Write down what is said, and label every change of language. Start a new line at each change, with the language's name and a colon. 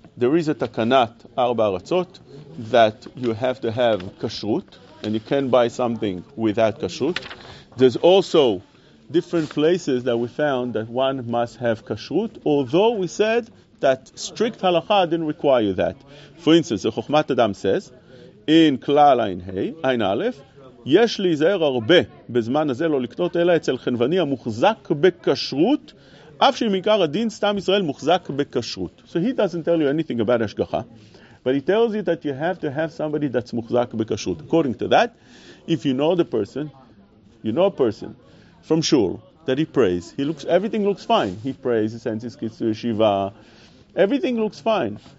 English: There is a Takanat Arba Aratzot that you have to have Kashrut and you can't buy something without Kashrut. There's also different places that we found that one must have Kashrut, although we said that strict Halakha didn't require that. For instance, the Chochmat Adam says, in Klal Ein Hei, Ein Aleph,
Hebrew: יש להיזהר הרבה בזמן הזה לא לקנות אלא אצל חנווני המוחזק בקשרות, אף שמעיקר הדין סתם ישראל מוחזק בקשרות.
English: So he doesn't tell you anything about השגחה, but he tells you that you have to have somebody that's מוחזק בקשרות. According to that, if you know the person, you know a person from shul that he prays, he looks, everything looks fine. He prays, he sends his kids to yeshiva, everything looks fine.